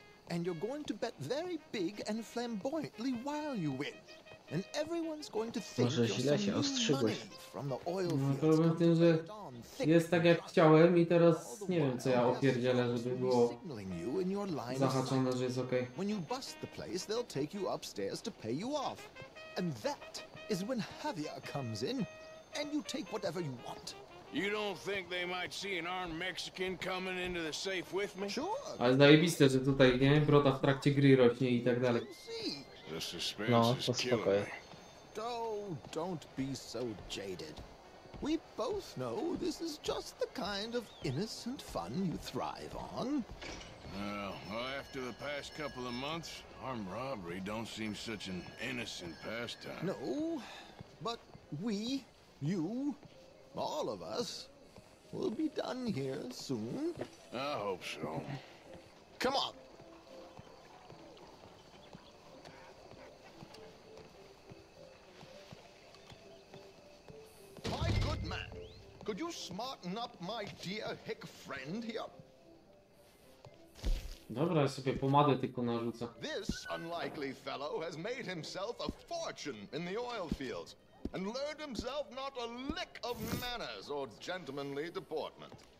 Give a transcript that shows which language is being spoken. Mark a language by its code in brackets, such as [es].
[en] And you're going to bet very big and flamboyantly while you win. And everyone's going to think you're some new money from the oil fields. [pl] No, problem w tym, że jest tak jak chciałem i teraz nie wiem co ja opierdzielę, żeby było zahaczone, że jest okej. [en] When you bust the place, they'll take you upstairs to pay you off. And that is when Javier comes in and you take whatever you want. You don't think they might see an armed Mexican coming into the safe with me? Sure. [pl] Ale zajebiste, że tutaj, nie? Brota w trakcie gry rośnie i tak dalej. No, to spokojnie. [en] Oh, don't be so jaded. We both know this is just the kind of innocent fun you thrive on. Well, after the past couple of months, armed robbery don't seem such an innocent pastime. No, but we, you, all of us, will be done here soon. I hope so. Come on. My good man, could you smarten up my dear hick friend here? [pl] Dobra, ja sobie pomadę tylko narzucę. [en] This unlikely fellow has made himself a fortune in the oil fields and learned himself not a lick of manners or gentlemanly deportment.